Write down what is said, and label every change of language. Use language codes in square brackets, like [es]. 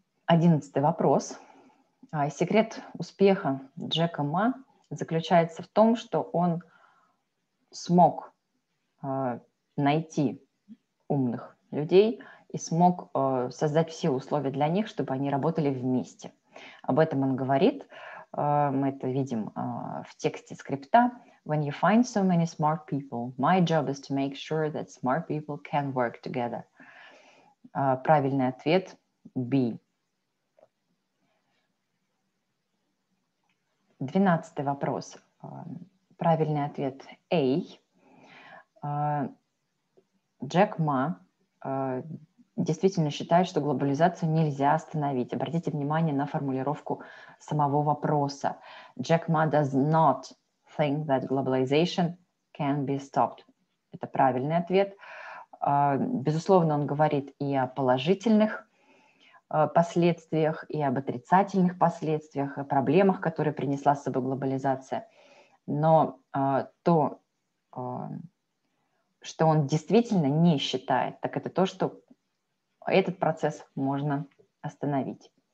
[ru] 11-й вопрос. Секрет успеха Джека Ма заключается в том, что он смог найти умных людей и смог создать все условия для них, чтобы они работали вместе. Об этом он говорит. Мы это видим в тексте скрипта. [en] When you find so many smart people, my job is to make sure that smart people can work together. [ru] Правильный ответ – B. 12-й вопрос. Правильный ответ – A. Джек Ма действительно считает, что глобализацию нельзя остановить. Обратите внимание на формулировку самого вопроса. [en] Джек Ма does not think that globalization can be stopped. [ru] Это правильный ответ. Безусловно, он говорит и о положительных последствиях, и об отрицательных последствиях, и проблемах, которые принесла с собой глобализация. Но то, что он действительно не считает, так это то, что этот процесс можно остановить.